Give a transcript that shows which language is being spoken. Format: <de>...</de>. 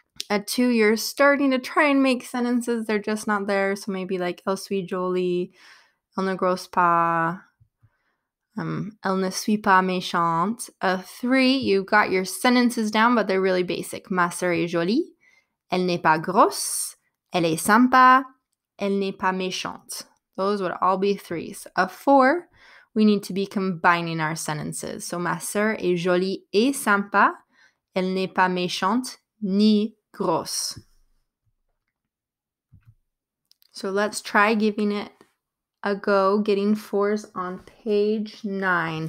<en>A two, you're starting to try and make sentences. They're just not there. So maybe like,</en> <fr>Elle suis jolie, elle ne grosse pas, elle ne suis pas méchante.</fr> <en>A three, you've got your sentences down, but they're really basic.</en> <fr>Ma sœur est jolie, elle n'est pas grosse, elle est sympa, elle n'est pas méchante.</fr> <en>Those would all be threes. A four, we need to be combining our sentences.</en> <fr>So, ma sœur est jolie et sympa. Elle n'est pas méchante ni grosse.</fr> <en>So, let's try giving it a go, getting fours on page nine.</en>